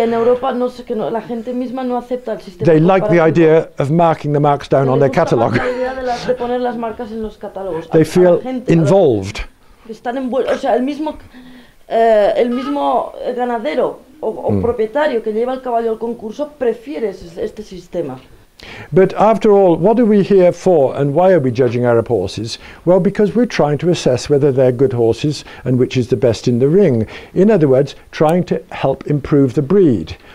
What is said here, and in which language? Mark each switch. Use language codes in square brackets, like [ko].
[es] Que en Europa no sé, que no, la gente misma no acepta el sistema. [en] They like the idea of marking the marks down on their catalog. [es] La idea de poner las marcas en los catálogos. [en] They feel involved. [es] Están o sea, el mismo ganadero o propietario que lleva el caballo al concurso prefiere este sistema. [en] But after all, what are we here for and why are we judging Arab horses? Well, because we're trying to assess whether they're good horses and which is the best in the ring. In other words, trying to help improve the breed.